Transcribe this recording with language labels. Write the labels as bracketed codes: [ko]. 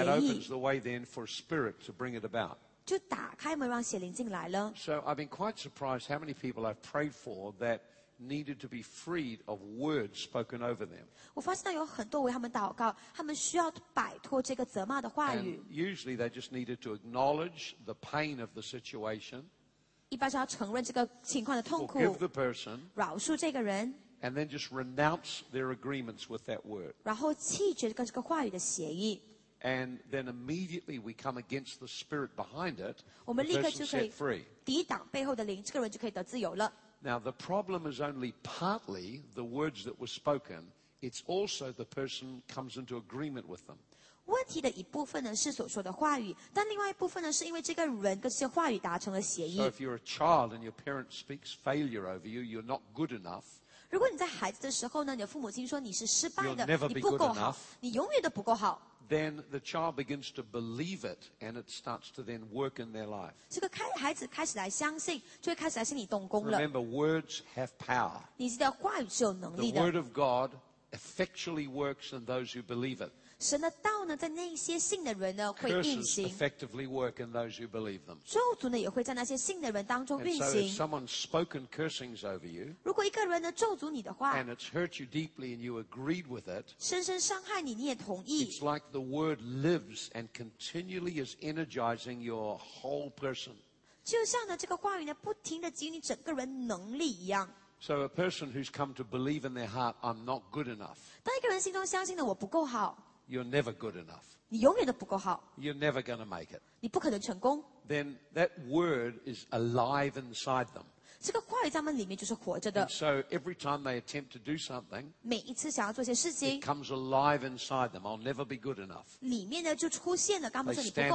[en] And that opens the way then for spirit to bring it about [zh] 就打开门让邪灵进来了 [en] So I've been quite surprised how many people I've prayed for thatneeded to be freed of words spoken over them. [zh] 我发现到有很多为他们祷告，他们需要摆脱这个责骂的话语。 [en] And usually they just needed to acknowledge the pain of the situation. [zh] 一般是要承认这个情况的痛苦。 [en] Forgive the person. [zh] 饶恕这个人。 [en] And then just renounce their agreements with that word. [zh] 然后弃绝跟这个话语的协议。 [en] And then immediately we come against the spirit behind it. [zh] 我们立刻就可以 [en] set free. [zh] 抵挡背后的灵，这个人就可以得自由了。 [en] Now the problem is only partly the words that were spoken. It's also the person comes into agreement with them. [zh] 问题的一部分呢是所说的话语，但另外一部分呢是因为这个人跟这些话语达成了协议。 [en] So if you're a child and your parent speaks failure over you, you're not good enough. [zh] 如果你在孩子的时候呢，你的父母亲说你是失败的，你不够好，你永远都不够好。 [en] Then the child begins to believe it, and it starts to then work in their life. [zh] 这个孩子开始来相信，就会开始来心里动工了。 [en] Remember, words have power. [zh] 你记得话语是有能力的。 [en] The word of God effectually works in those who believe it. [zh] 神的道呢，在那些信的人呢，会运行。 [en] Curses effectively work in those who believe them. [zh] 咒诅呢，也会在那些信的人当中运行。 [en] And so if someone's spoken cursings over you, [zh] 如果一个人呢咒诅你的话， [en] and it's hurt you deeply and you agreed with it, [zh] 深深伤害你，你也同意。 [en] It's like the word lives and continually is energizing your whole person. [zh] 就像呢，这个话语呢，不停地给予你整个人能力一样。 [en] So a person who's come to believe in their heart, I'm not good enough. [zh] 当一个人心中相信呢，我不够好。 [en] You're never good enough. [zh] 你永远都不够好。 [en] You're never going to make it. [zh] 你不可能成功。 [en] Then that word is alive inside them. [zh] 这个话语在他们里面就是活着的。 [en] And so every time they attempt to do something, [zh] 每一次想要做些事情， [en] it comes alive inside them. I'll never be good enough. [zh] 里面呢就出现了，刚不说你不够好。